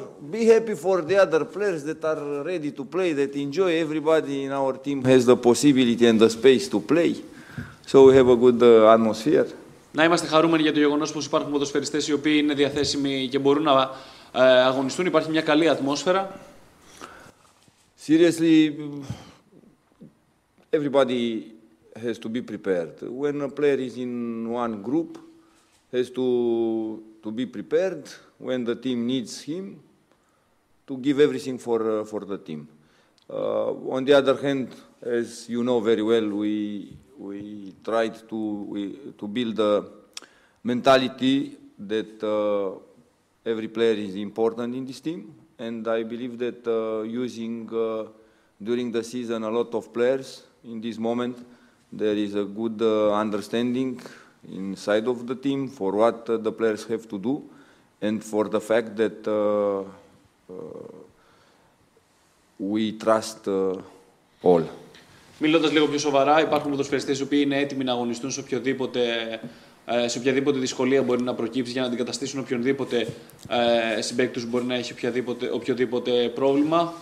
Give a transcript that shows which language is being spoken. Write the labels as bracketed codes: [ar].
[en] Be happy for the other players that are ready to play, that enjoy. Everybody in our team has the possibility and the space to play, so we have a good atmosphere. [el] Να είμαστε χαρούμενοι για το γεγονός πως υπάρχουν ποδοσφαιριστές οι οποίοι είναι διαθέσιμοι και μπορούν να αγωνιστούν. Υπάρχει μια καλή ατμόσφαιρα. [en] Seriously, everybody has to be prepared. When a player is in one group, has to be prepared. When the team needs him, to give everything for the team. On the other hand, as you know very well, we tried to build a mentality that every player is important in this team, and I believe that using during the season a lot of players in this moment, there is a good understanding inside of the team for what the players have to do. And for the fact that we trust all. [el] Μιλώντας λίγο πιο σοβαρά, υπάρχουν ποδοσφαιριστές οι οποίοι είναι έτοιμοι να αγωνιστούν σε οποιαδήποτε δυσκολία μπορεί να προκύψει για να αντικαταστήσουν οποιονδήποτε συμπαίκτη τους μπορεί να έχει οποιοδήποτε πρόβλημα.